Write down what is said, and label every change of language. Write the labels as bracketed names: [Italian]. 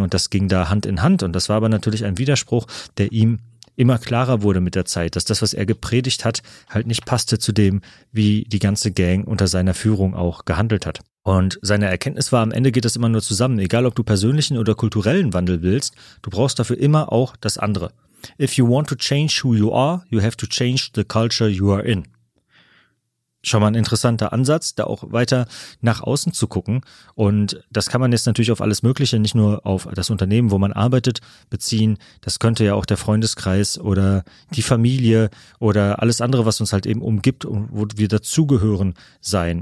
[German] Und das ging da Hand in Hand. Und das war aber natürlich ein Widerspruch, der ihm immer klarer wurde mit der Zeit, dass das, was er gepredigt hat, halt nicht passte zu dem, wie die ganze Gang unter seiner Führung auch gehandelt hat. Und seine Erkenntnis war, am Ende geht das immer nur zusammen. Egal, ob du persönlichen oder kulturellen Wandel willst, du brauchst dafür immer auch das andere. [English] If you want to change who you are, you have to change the culture you are in. [German] Schon mal ein interessanter Ansatz, da auch weiter nach außen zu gucken. Und das kann man jetzt natürlich auf alles Mögliche, nicht nur auf das Unternehmen, wo man arbeitet, beziehen. Das könnte ja auch der Freundeskreis oder die Familie oder alles andere, was uns halt eben umgibt und wo wir dazugehören, sein.